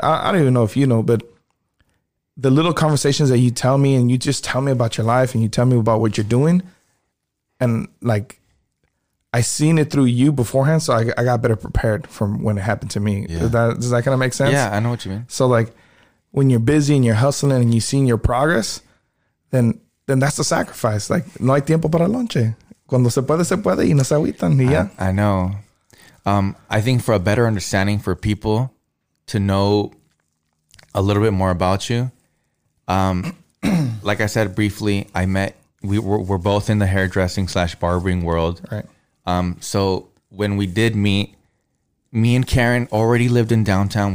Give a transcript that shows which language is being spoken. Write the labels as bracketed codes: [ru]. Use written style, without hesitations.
[en] I don't even know if you know, but the little conversations that you tell me, and you just tell me about your life, and you tell me about what you're doing, and, like, I seen it through you beforehand, so I got better prepared from when it happened to me. Yeah. Does that kind of make sense? Yeah, I know what you mean. So, like, when you're busy and you're hustling and you've seen your progress, then that's the sacrifice. [es] Like, no hay tiempo para lonche. Cuando se puede, y no se agüitan, y ya. [en] I know. I think for a better understanding for people to know a little bit more about you, like I said briefly, we're both in the hairdressing / barbering world. Right. So when we did meet, me and Karen already lived in downtown.